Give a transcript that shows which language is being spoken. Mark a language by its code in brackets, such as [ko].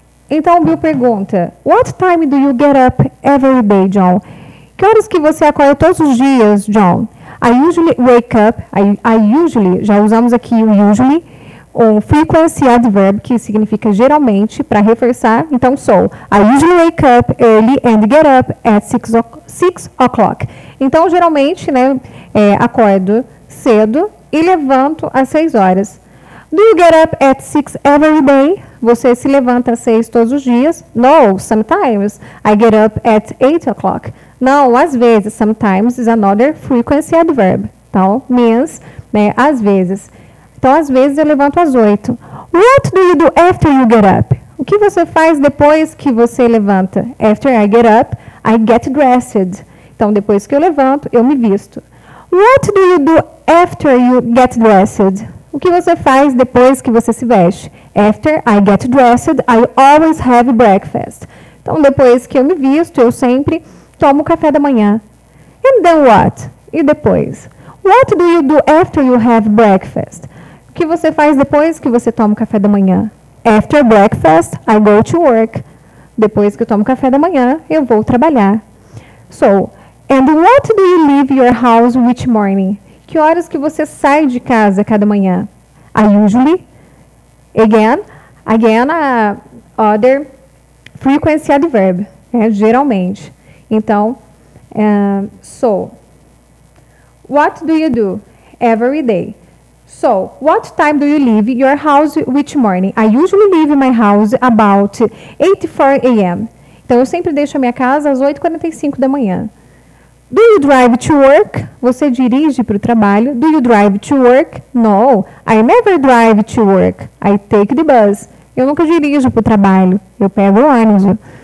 [pt] Então Bill pergunta, [en] What time do you get up every day, John? [pt] Que horas que você acorda todos os dias, John? [en] I usually wake up, [pt] já usamos aqui o usually, um frequency adverb que significa geralmente, para reforçar, então sou. [en] I usually wake up early and get up at 6 o'clock. [pt] Então, geralmente, acordo cedo e levanto às 6 horas. [en] Do you get up at 6 every day? [pt] Você se levanta às 6 todos os dias? [en] No, sometimes I get up at 8 o'clock. [pt] Não, às vezes, [en] sometimes is another frequency adverb. [pt] Então, means, às vezes. Então, às vezes eu levanto às 8. [en] What do you do after you get up? [pt] O que você faz depois que você levanta? [en] After I get up, I get dressed. [pt] Então, depois que eu levanto, eu me visto. [en] What do you do after you get dressed? [pt] O que você faz depois que você se veste? [en] After I get dressed, I always have breakfast. [pt] Então, depois que eu me visto, eu sempre tomo café da manhã. [en] And then what? [pt] E depois? [en] What do you do after you have breakfast? [pt] O que você faz depois que você toma café da manhã? [en] After breakfast, I go to work. [pt] Depois que eu tomo café da manhã, eu vou trabalhar. [en] So, and what do you leave your house each morning? [pt] Que horas que você sai de casa cada manhã? [en] I usually, again, a other frequency adverb, geralmente. Então, so, what do you do every day? So, what time do you leave your house each morning? I usually leave my house about 8:04 a.m. [pt] Então, eu sempre deixo a minha casa às 8:45 da manhã. [en] Do you drive to work? [pt] Você dirige para o trabalho. [en] Do you drive to work? No, I never drive to work. I take the bus. [pt] Eu nunca dirijo para o trabalho. Eu pego o ônibus.